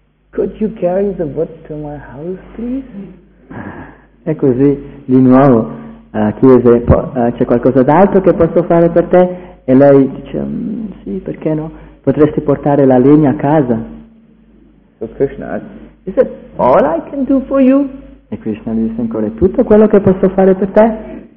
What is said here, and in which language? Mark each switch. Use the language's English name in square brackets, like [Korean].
[English] Could you carry the wood to my house, please? [Italian] E così, di nuovo, chiese, c'è qualcosa d'altro che posso fare per te? E lei dice, sì, perché no? Potresti portare la legna a casa? [English] So Krishna asked, is that all I can do for you? [Italian] E Krishna gli disse ancora, tutto quello che posso fare per te?